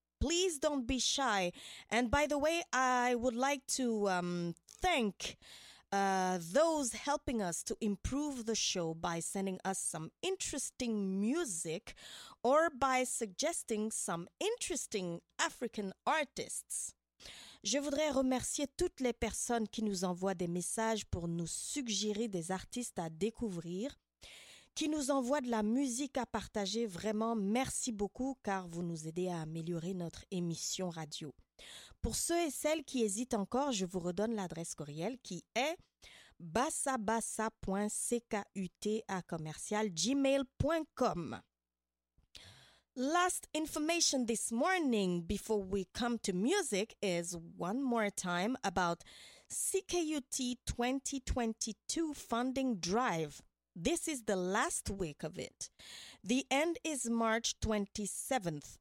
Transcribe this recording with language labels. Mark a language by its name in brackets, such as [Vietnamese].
[English] Please don't be shy. And by the way, I would like to thank those helping us to improve the show by sending us some interesting music or by suggesting some interesting African artists. [French] Je voudrais remercier toutes les personnes qui nous envoient des messages pour nous suggérer des artistes à découvrir, qui nous envoient de la musique à partager. Vraiment, merci beaucoup, car vous nous aidez à améliorer notre émission radio. Pour ceux et celles qui hésitent encore, je vous redonne l'adresse courriel qui est basabasa.ckut@gmail.com. [English] Last information this morning before we come to music is one more time about CKUT 2022 funding drive. This is the last week of it. The end is March 27th.